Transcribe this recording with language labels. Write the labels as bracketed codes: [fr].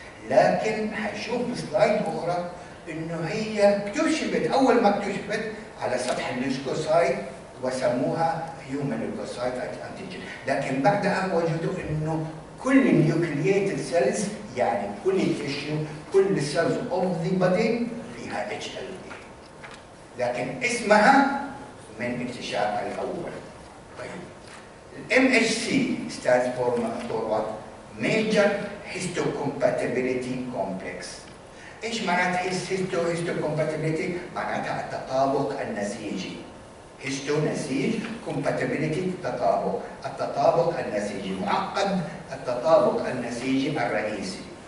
[ar] لكن حنشوف سلايد أخرى إنه هي اكتشفت أول ما اكتشفت على سطح الليوكوسايت وسموها human leukocyte antigen. لكن بعدها وجدوا إنه كل النيوكليتد سيلز يعني كل التشيو كل السيلز [en] of the body [ar] فيها HLA. لكن اسمها من اكتشافها الأول. طيب [en] MHC stands for what? Major histocompatibility complex. [ar] إيش معناتها histocompatibility؟ معناتها التطابق النسيجي. Histo نسيج، compatibility تطابق، التطابق النسيجي، معقد التطابق النسيجي الرئيسي.